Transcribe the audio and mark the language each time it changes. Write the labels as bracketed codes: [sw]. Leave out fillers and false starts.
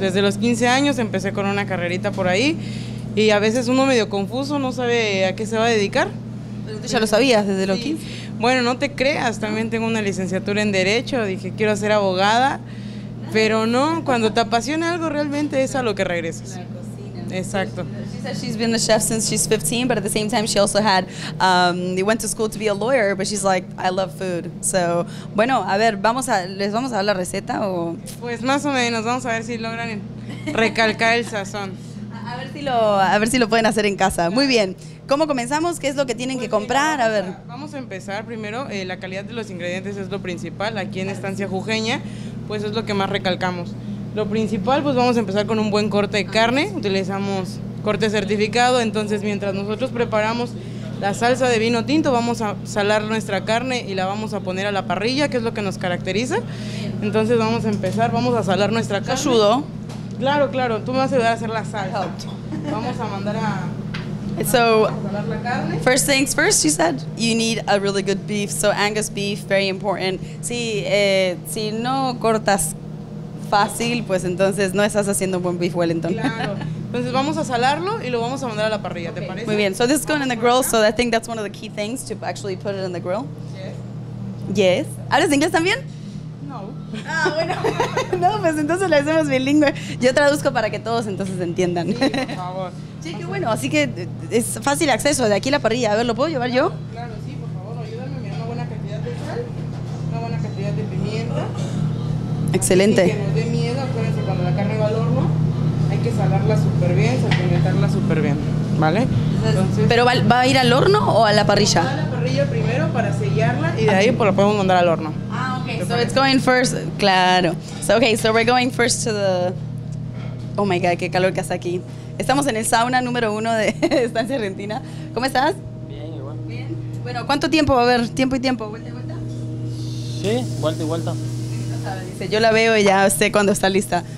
[es] Desde los 15 años empecé con una carrerita por ahí y a veces uno medio confuso, no sabe a qué se va a dedicar. Pero tú ya lo sabías desde los 15. Bueno, no te creas, también tengo una licenciatura en Derecho, dije quiero ser abogada, pero no, cuando te apasiona algo realmente es a lo que regresas. Exacto. [en] She said she's been a chef since she's 15, but at the same time she also went to school to be a lawyer, but she's like, I love food. [es] So, bueno, a ver, ¿les vamos a dar la receta o? Pues más o menos, vamos a ver si logran recalcar el sazón. A ver si lo pueden hacer en casa. Muy bien. ¿Cómo comenzamos? ¿Qué es lo que tienen que comprar? A ver. Vamos a empezar primero, la calidad de los ingredientes es lo principal. Aquí en Estancia Jujeña, pues es lo que más recalcamos. Lo principal, pues vamos a empezar con un buen corte de carne. Utilizamos corte certificado, entonces mientras nosotros preparamos la salsa de vino tinto, vamos a salar nuestra carne y la vamos a poner a la parrilla, que es lo que nos caracteriza. Entonces vamos a empezar, vamos a salar nuestra carne. ¿Te ayudo? Claro, claro, tú me vas a ayudar a hacer la salsa. Vamos a mandar [en] So, first things first, you said you need a really good beef, so Angus beef, very important. [es] Si no cortas fácil, pues entonces no estás haciendo un buen beef Wellington. Claro. Entonces vamos a salarlo y lo vamos a mandar a la parrilla, okay. ¿Te parece? Muy bien. [en] So this is going in the grill, so I think that's one of the key things to actually put it in the grill. Yes. Yes. [es] ¿Hablas inglés también? No. Ah, bueno. No, pues entonces lo hacemos bilingüe. Yo traduzco para que todos entonces entiendan. Sí, por favor. Sí, qué bueno. Así que es fácil acceso de aquí a la parrilla. A ver, ¿lo puedo llevar claro, yo? Claro, sí, por favor. sal, una buena cantidad de pimienta. Excelente. Así que nos dé miedo, acuérdense, cuando la carne va al horno, hay que salarla súper bien, salpimentarla súper bien, ¿vale? Entonces, ¿pero va a ir al horno o a la parrilla? Va a la parrilla primero para sellarla y de ahí pues la podemos mandar al horno. [en] Ah, okay. So it's going first, claro. So okay, so we're going first to the... Oh my God, [es] qué calor que hace aquí. Estamos en el sauna número uno de Estancia Argentina. ¿Cómo estás? Bien, igual. Bien. Bueno, ¿cuánto tiempo? A ver, tiempo y tiempo. ¿Vuelta y vuelta? Sí, vuelta y vuelta. Dice, yo la veo y ya sé cuándo está lista.